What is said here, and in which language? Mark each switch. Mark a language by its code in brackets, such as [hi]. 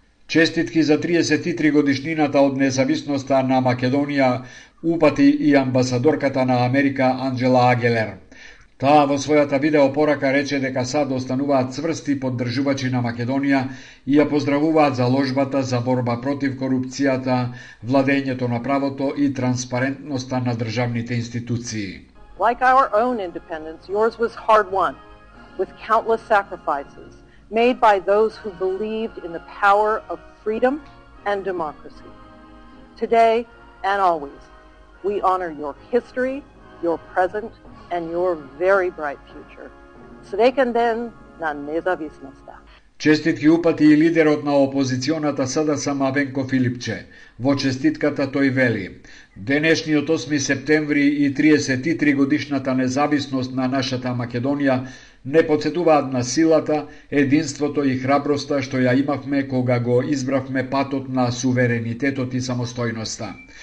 [mk] Честитки за 33 годишнината од независноста на Македонија упати и амбасадорката на Америка Анджела Агелер. Таа во својата видеопорака рече дека сад остануваат цврсти поддржувачи на Македонија и ја поздравуваат за ложбата за борба против корупцијата, владењето на правото и транспарентноста на државните институции. [en] Like our own independence, yours was hard won with countless sacrifices made by those who believed in the power of freedom and democracy. Today and always, we honor your history, your present, and your very bright future. [mk] Среќен ден на независноста. Честитки упати и лидерот на опозиционата СДСМ Венко Филипче. Во честитката тој вели: «Денешниот 8 септември и 33 годишната независност на нашата Македонија не подсетуваат на силата, единството и храброста што ја имавме кога го избравме патот на суверенитетот и самостојноста.